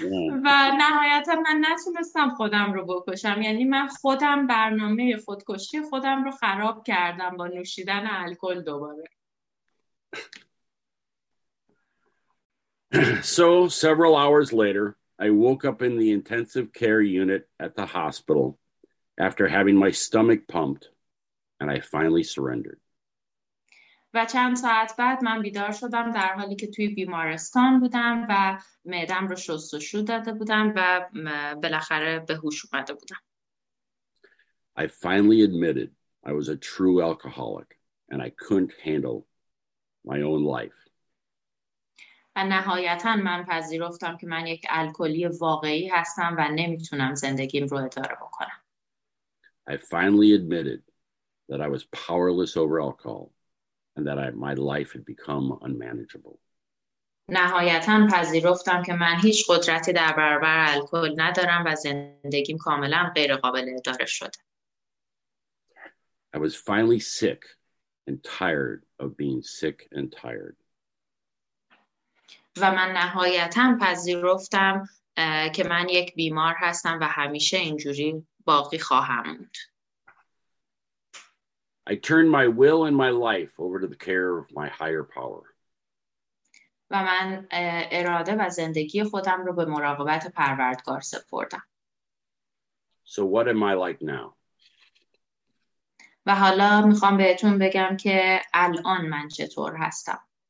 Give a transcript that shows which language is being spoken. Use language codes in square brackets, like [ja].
[fa] و نهایتا من نتونستم خودم رو بکشم، یعنی من خودم برنامه خودکشی خودم رو خراب کردم با نوشیدن الکل دوباره. [en] So several hours later, I woke up in the intensive care unit at the hospital after having my stomach pumped and I finally surrendered. [fa] و چند ساعت بعد من بیدار شدم در حالی که توی بیمارستان بودم و معده‌ام رو شستشو داده بودم و بالاخره به هوش اومده بودم. [en] I finally admitted I was a true alcoholic and I couldn't handle my own life. [fa] و نهایتا من پذیرفتم که من یک الکلی واقعی هستم و نمیتونم زندگیم رو اداره بکنم. [en] I finally admitted that I was powerless over alcohol and that my life had become unmanageable. [fa] نهایتاً پذیرفتم که من هیچ قدرتی در برابر الکل ندارم و زندگیم کاملاً غیر قابل اداره شده. [en] I was finally sick and tired of being sick and tired. [fa] و من نهایتاً پذیرفتم که من یک بیمار هستم و همیشه اینجوری باقی خواهم بود. [en] I turned my will and my life over to the care of my higher power. [fa] و من اراده و زندگی خودم رو به مراقبت پروردگار سپردم. [en] So what am I like now? [fa] و حالا میخوام بهتون بگم که الان من چطور هستم.